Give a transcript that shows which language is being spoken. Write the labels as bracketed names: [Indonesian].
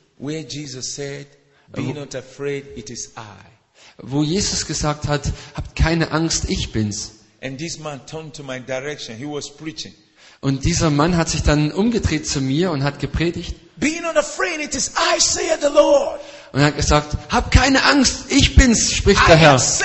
[English] Where Jesus said, "Be not afraid, it is I." [German] Wo Jesus gesagt hat, habt keine Angst, ich bin's. [English] And this man turned to my direction. He was preaching. [German] Und dieser Mann hat sich dann umgedreht zu mir und hat gepredigt. [English] "Be not afraid, it is I," said the Lord. [German] Und er hat gesagt, hab keine Angst, ich bin's, spricht der Herr.